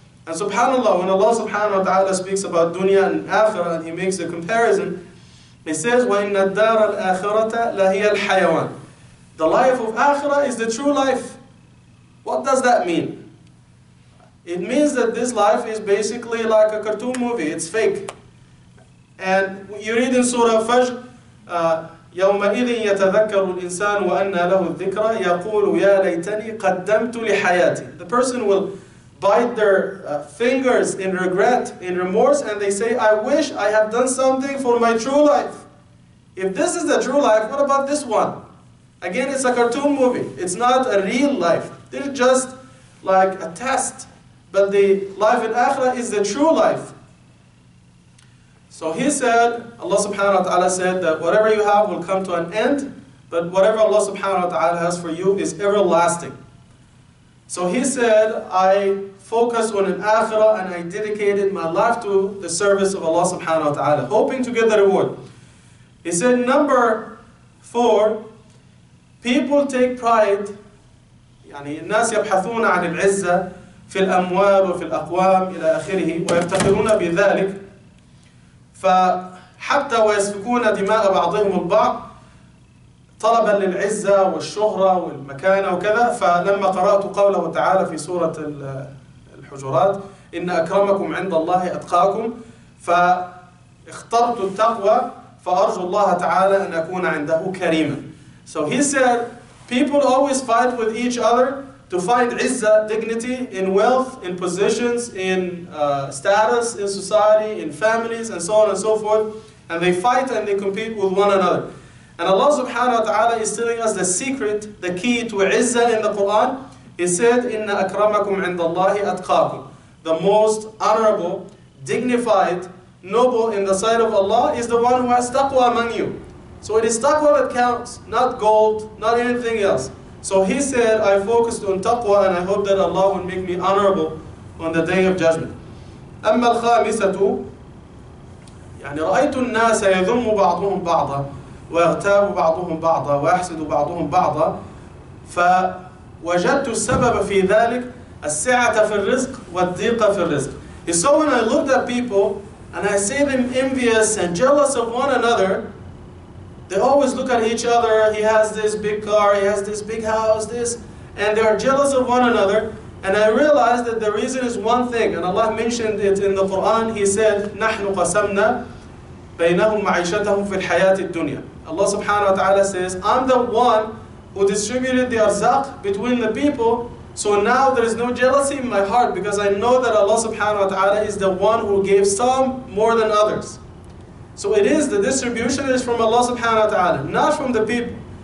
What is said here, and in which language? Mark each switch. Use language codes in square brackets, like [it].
[en] And subhanAllah, when Allah subhanahu wa ta'ala speaks about dunya and akhirah and He makes a comparison, He says, [ar] وَإِنَّ الدَّارَ الْآخِرَةَ لَهِيَ الْحَيَوَانِ. [en] The life of akhirah is the true life. What does that mean? It means that this life is basically like a cartoon movie, it's fake. And you read in Surah Fajr, [ar] يَوْمَئِذٍ يَتَذَكَّرُ الْإِنسَانُ وَأَنَّ لَهُ الذِّكْرَ يَقُولُ يَا لَيْتَنِي قَدَّمْتُ لِحَيَاتِي. [en] The person will bite their fingers in regret, in remorse, and they say, I wish I had done something for my true life. If this is the true life, what about this one? Again, it's a cartoon movie. It's not a real life. This is just like a test. But the life in Akhirah is the true life. So he said, Allah subhanahu wa ta'ala said that whatever you have will come to an end, but whatever Allah subhanahu wa ta'ala has for you is everlasting. So he said, I focused on an Akhirah and I dedicated my life to the service of Allah subhanahu wa ta'ala, hoping to get the reward. He said, number four, people take pride, [ar] يعني الناس يبحثون عن العزة في الأموال وفي الأقوام إلى آخره ويفتخرون بذلك. فحتى ويسفكون دماء بعضهم البعض طلبا للعزة والشهرة والمكانة وكذا. فلما قرأت قوله تعالى في سورة الحجرات إن أكرمكم عند الله أتقاكم فاخترت التقوى فأرجو الله تعالى أن أكون عنده كريما. [en] So he said, people always fight with each other to find izzah, dignity, in wealth, in positions, in status, in society, in families, and so on and so forth. And they fight and they compete with one another. And Allah subhanahu wa ta'ala is telling us the secret, the key to izzah in the Quran. He said, [ar] إِنَّ أَكْرَمَكُمْ عِنْدَ اللَّهِ أَتْقَاكُمْ. [en] The most honorable, dignified, noble in the sight of Allah is the one who has taqwa among you. So it is taqwa that counts, not gold, not anything else. So he said, I focused on taqwa and I hope that Allah will make me honorable on the Day of Judgment. [ar] أما الخامسة يعني رأيت الناس يذم بعضهم بعضا ويغتاب بعضهم بعضا ويحسد بعضهم بعضا فوجدت السبب في ذلك السعة في الرزق والضيق في الرزق. [en] He said, when I looked at people and I see them envious and jealous of one another, they always look at each other, he has this big car, he has this big house, this, and they are jealous of one another. And I realized that the reason is one thing, and Allah mentioned it in the Quran. He said, [ar] نحن قسمنا بينهم معيشتهم في الحياة الدنيا. [en] Allah subhanahu wa ta'ala says, I'm the one who distributed the arzaq between the people, so now there is no jealousy in my heart, because I know that Allah subhanahu wa ta'ala is the one who gave some more than others. So it is, the distribution is from Allah subhanahu wa ta'ala, not from the people.